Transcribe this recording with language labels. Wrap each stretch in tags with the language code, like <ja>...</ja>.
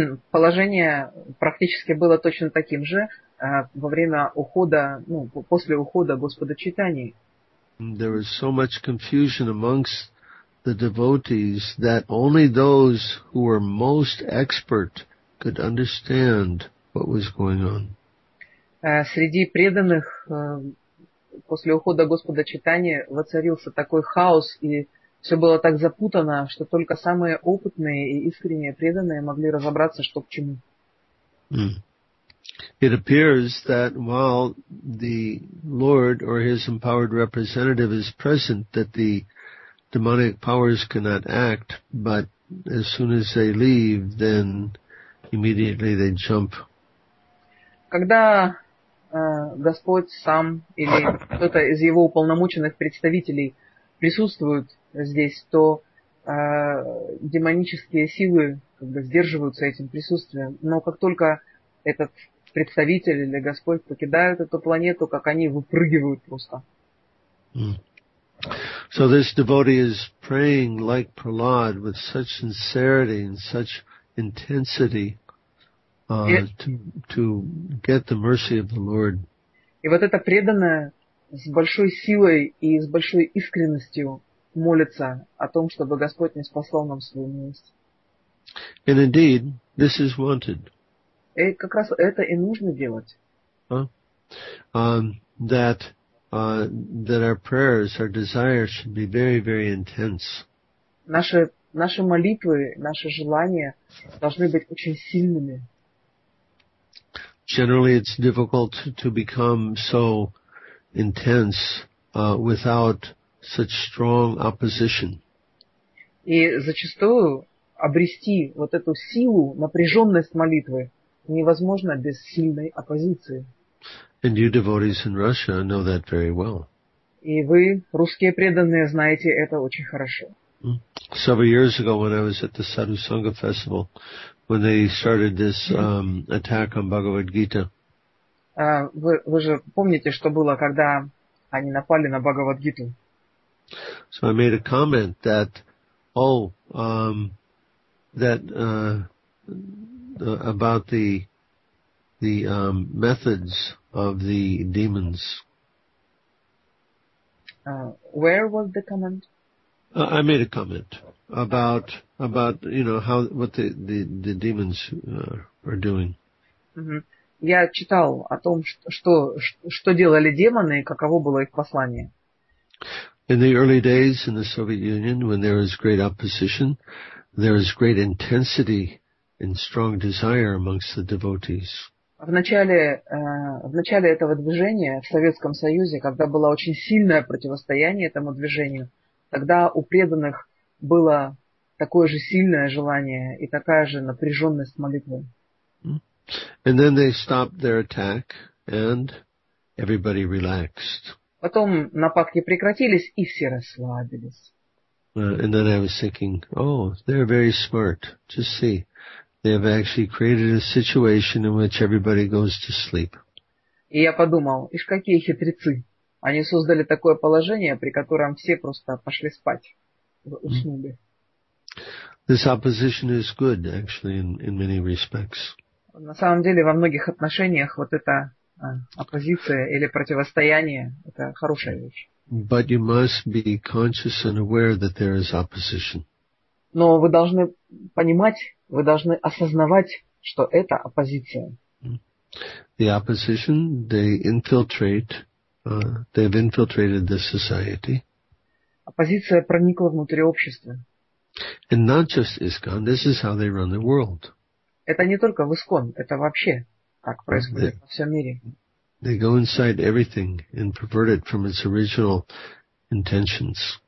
<ru>Положение практически было точно таким же во время ухода, после ухода Господа Чайтаньи.</ru> <en>There was so much confusion amongst the devotees that only those who were most expert could understand what was going on.</en> <ru>Среди преданных после ухода Господа Чайтаньи воцарился такой хаос, и все было так запутано, что только самые опытные и искренне преданные могли разобраться, что к чему.</ru> <en>It appears that while the Lord or his empowered representative is present, that the demonic powers cannot act, but as soon as they leave, then immediately they jump.</en> <ru>Когда Господь сам или кто-то из его уполномоченных представителей присутствует здесь, то демонические силы как бы сдерживаются этим присутствием. Но как только этот представитель или Господь покидает эту планету, как они выпрыгивают просто.</ru> <en>So this devotee is praying like Prahlad with such sincerity and such intensity. To get the mercy of the Lord.</en> <ru>И вот это преданное с большой силой и с большой искренностью молится о том, чтобы Господь не спасал нам свою милость.</ru> <en>And indeed, this is wanted.</en> <ru>И как раз это и нужно делать.</ru> <en>That our prayers, our desires should be very, very intense.</en> <ru>Наши молитвы, наши желания должны быть очень сильными.</ru> <en>Generally, it's difficult to become so intense without such strong opposition.</en> <ru>И зачастую обрести вот эту силу, напряженность молитвы невозможно без сильной оппозиции.</ru> <en>And you devotees in Russia know that very well.</en> <ru>И вы, русские преданные, знаете это очень хорошо.</ru> <en>Several years ago, when I was at the Sadhu Sangha festival, when they started this attack on Bhagavad Gita.</en> <ru>Вы же помните, что было, когда они напали на Бхагавад Гиту?</ru> <en>So I made a comment that, about the methods of the demons. Where was the comment? I made a comment about you know how what the demons are doing. Mm-hmm.</en> <ru>Я читал о том, что делали демоны и каково было их послание.</ru> <en>In the early days in the Soviet Union, when there was great opposition, there was great intensity and strong desire amongst the devotees.</en> <ru>В начале этого движения в Советском Союзе, когда было очень сильное противостояние этому движению, тогда у преданных было такое же сильное желание и такая же напряженность молитвы.</ru> <en>And then they stopped their attack, and everybody relaxed.</en> <ru>Потом нападки прекратились, и все расслабились.</ru> <en>And then I was thinking, they're very smart. Just see, they have actually created a situation in which everybody goes to sleep.</en> <ru>И я подумал, ишь, какие хитрецы. Они создали такое положение, при котором все просто пошли спать, уснули.</ru> <en>This opposition is good, actually, in many respects.</en> <ru>На самом деле, во многих отношениях вот эта оппозиция или противостояние – это хорошая вещь.</ru> <en>But you must be conscious and aware that there is opposition.</en> <ru>Но вы должны понимать, вы должны осознавать, что это оппозиция.</ru> <en>The opposition, they've infiltrated the society.</en> <ru>Оппозиция проникла внутрь общества.</ru> <en>And not just ISKCON, this is how they run the world.</en> <ru>Это не только в ИСКОН, это вообще так происходит во всем мире.</ru> <en>They go inside everything and pervert it from its original intentions.</en>